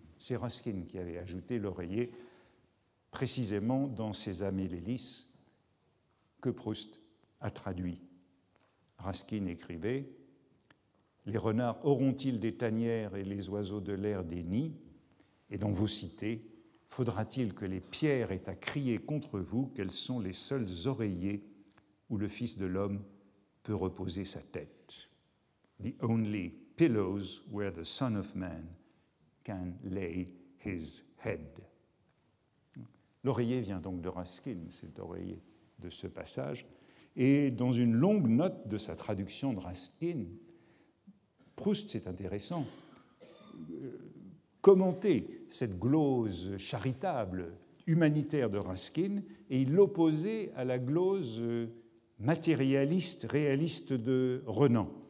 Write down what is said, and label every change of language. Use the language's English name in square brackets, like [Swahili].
[French] C'est Ruskin qui avait ajouté l'oreiller précisément dans « Sésame et les lys » que Proust a traduit. Ruskin écrivait « Les renards auront-ils des tanières et les oiseaux de l'air des nids? Et dans vos cités, faudra-t-il que les pierres aient à crier contre vous quels sont les seuls oreillers où le Fils de l'homme peut reposer sa tête? [English] The only pillows where the Son of Man can lay his head. [French] L'oreiller vient donc de Ruskin, cet oreiller de ce passage, et dans une longue note de sa traduction de Ruskin, Proust, c'est intéressant, commentait cette glose charitable, humanitaire de Ruskin, et il l'opposait à la glose matérialiste, réaliste de Renan.